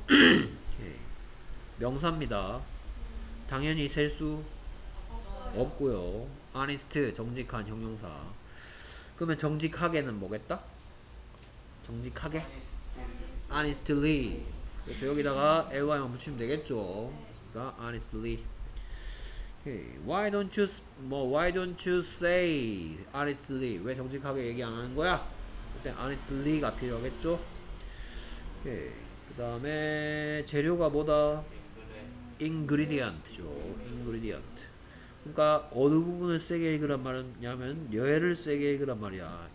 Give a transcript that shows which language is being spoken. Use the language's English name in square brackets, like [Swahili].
[Korean] Okay, 명사입니다. 당연히 셀 수 없고요. honest, 정직한 형용사. 그러면 정직하게는 뭐겠다? 정직하게? honestly. 그렇죠, 여기다가 ly만 붙이면 되겠죠. 그러니까 honestly. [English] Why don't you, 뭐, why don't you say honestly? [Korean] 왜 정직하게 얘기 안 하는 거야? 그때 honestly가 필요하겠죠? 오케이. 그 다음에 재료가 뭐다? ingredient죠. ingredient. 그러니까 어느 부분을 세게 읽으란 말이냐면 여해를 세게 읽으란 말이야.